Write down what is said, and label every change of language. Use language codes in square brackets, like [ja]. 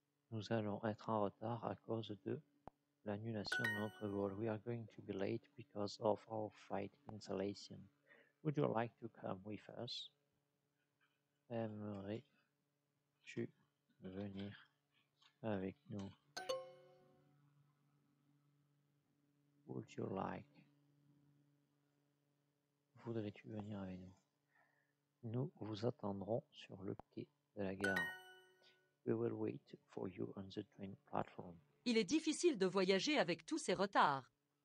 [fr] Nous allons être en retard à cause de l'annulation de notre vol. [en] We are going to be late because of our flight cancellation. Would you like to come with us? [fr] Aimerais-tu venir avec nous? [en] Would you like? [fr] Voudrais-tu venir avec nous? Nous vous attendrons sur le quai de la gare. [en] We will wait for you on the train platform. [fr] Il est difficile de voyager avec tous ces retards.